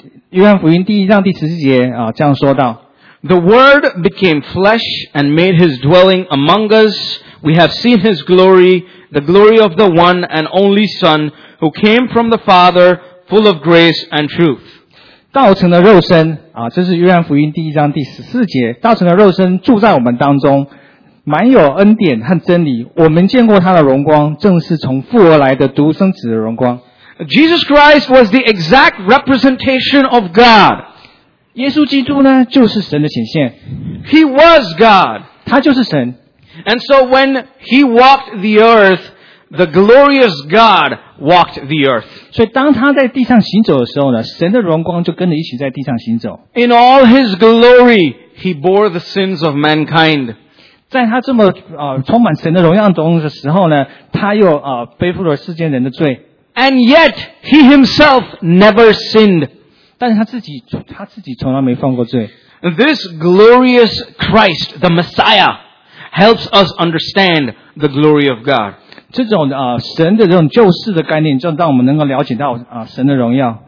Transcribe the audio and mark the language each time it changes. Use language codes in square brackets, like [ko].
[zh] 约翰福音第一章第十四节这样说道。 [en] The Word became flesh and made His dwelling among us. We have seen His glory, the glory of the one and only Son who came from the Father, full of grace and truth. [zh] 道成的肉身这是约翰福音第一章第十四节。道成的肉身住在我们当中。满有恩典和真理，我们见过他的荣光，正是从父而来的独生子的荣光。 [en] Jesus Christ was the exact representation of God. [zh] 耶稣基督呢，就是神的显现。 [en] He was God. [zh] 他就是神。 [en] And so when he walked the earth, the glorious God walked the earth. [zh] 所以当他在地上行走的时候呢，神的荣光就跟着一起在地上行走。 [en] In all his glory, he bore the sins of mankind. [zh] 在他这么充满神的荣耀中的时候呢，他又背负了世间人的罪。 [en] and yet he himself never sinned. [zh] 但是他自己 从来没犯过罪。 [en] This glorious Christ, the Messiah, helps us understand the glory of God. [zh] 这种神的这种救世的概念，让我们能够了解到神的荣耀。